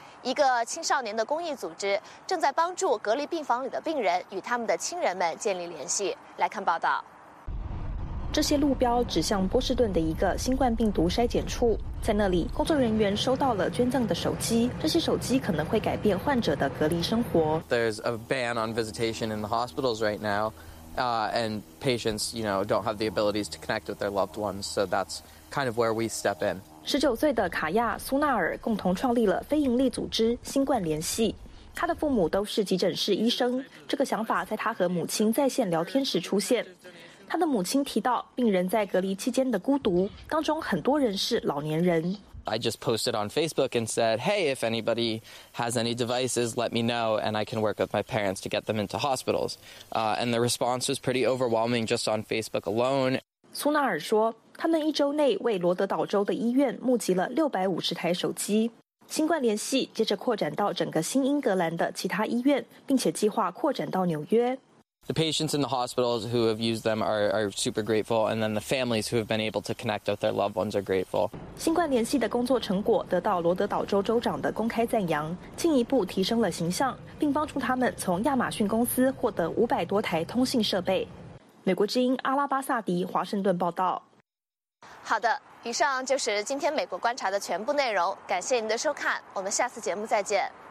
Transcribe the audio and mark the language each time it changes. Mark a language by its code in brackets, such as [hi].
[zh] 一个青少年的公益组织正在帮助隔离病房里的病人与他们的亲人们建立联系。来看报道。这些路标指向波士顿的一个新冠病毒筛检处，在那里工作人员收到了捐赠的手机，这些手机可能会改变患者的隔离生活。 [en] There's a ban on visitation in the hospitals right nowand patients, you know, don't have the abilities to connect with their loved ones, so that's kind of where we step in. [zh] 19岁的卡亚·苏纳尔共同创立了非营利组织“新冠联系”。他的父母都是急诊室医生，这个想法在他和母亲在线聊天时出现。他的母亲提到，病人在隔离期间的孤独，当中很多人是老年人。 [en] I just posted on Facebook and said, hey, if anybody has any devices, let me know, and I can work with my parents to get them into hospitals. And the response was pretty overwhelming just on Facebook alone. [zh] 苏纳尔说，他们一周内为罗德岛州的医院募集了650台手机。新冠联系接着扩展到整个新英格兰的其他医院，并且计划扩展到纽约。 [en] The patients in the hospitals who have used them are super grateful, and then the families who have been able to connect with their loved ones are grateful. [zh] 新冠联系的工作成果得到罗德岛州州长的公开赞扬，进一步提升了形象，并帮助他们从亚马逊公司获得500多台通信设备。美国之音阿拉巴萨迪华盛顿报道。好的，以上就是今天美国观察的全部内容，感谢您的收看，我们下次节目再见。